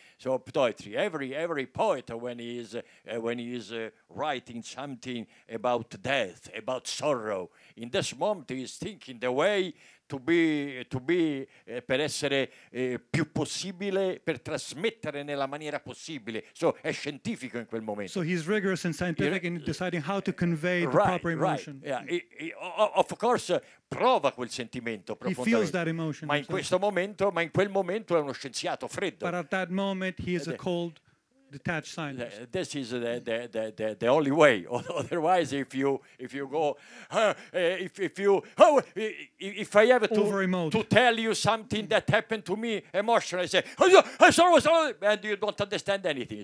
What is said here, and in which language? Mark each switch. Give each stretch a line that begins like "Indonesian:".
English: So poetry. Every poet, when he is writing something about death, about sorrow, in this moment he is thinking the way to be
Italian: per essere più possibile, per trasmettere nella maniera possibile. So è scientifico in quel momento.
English: So he's rigorous and scientific in deciding how to convey the proper emotion. Right. Yeah. Of course,
Italian: prova quel sentimento profondamente.
English: He feels that emotion.
Italian: Ma in quel momento è uno scienziato freddo.
English: But at that moment he is a cold, detached scientist. This is the only way. Otherwise, if I have to tell you something that happened to me emotionally, I say, I'm sorry, and you don't understand anything.